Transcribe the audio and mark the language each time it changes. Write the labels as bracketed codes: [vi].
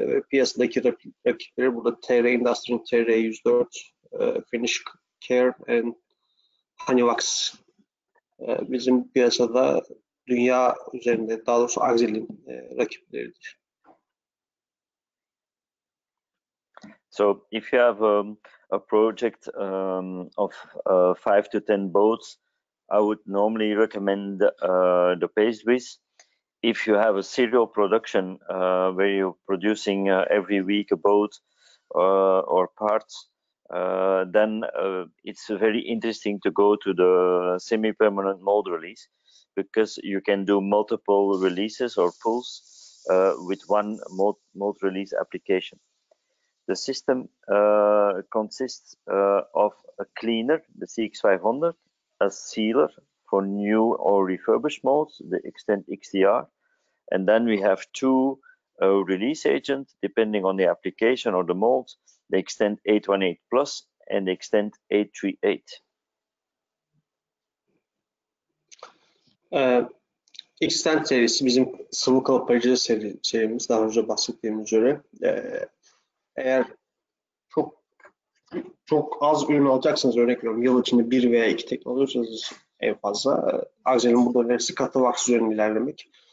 [tr] Piyasadaki rakipleri burada TR Industry, TR 104, Finish Care and Honey Wax. Bizim piyasada dünya üzerinde, daha doğrusu Axel'in rakipleridir. [en] So if you have a project of 5 to 10 boats, I would normally recommend the PasteWiz. If you have a serial production where you're producing every week a boat or parts, then it's very interesting to go to the semi-permanent mold release, because you can do multiple releases or pulls with one mold release application. The system consists of a cleaner, the CX500, a sealer for new or refurbished molds, the Extend XDR, and then we have two release agents, depending on the application or the molds, the Extend 818 Plus and the Extend 838. [tr] Extend serisi bizim sıvı kalıp arayıcı serimiz, daha önce bahsettiğim üzere. Eğer çok çok az ürün alacaksanız, örnek veriyorum, yıl içinde bir veya iki tekne alıyorsanız en fazla, Axel'in burada önerisi katı wax üzerinde ilerlemek.